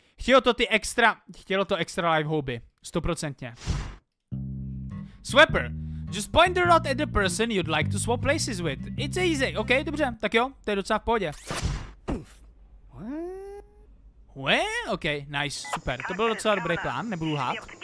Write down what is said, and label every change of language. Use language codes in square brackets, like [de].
[cs] Chtělo to extra life houby. [en] 100%. Swapper. Just point the rod at the person you'd like to swap places with. It's easy. OK, [cs] dobře. Tak jo, to je docela v pohodě. [en] What? OK, nice, super. [cs] To byl docela dobrý plán, nebudu lhát.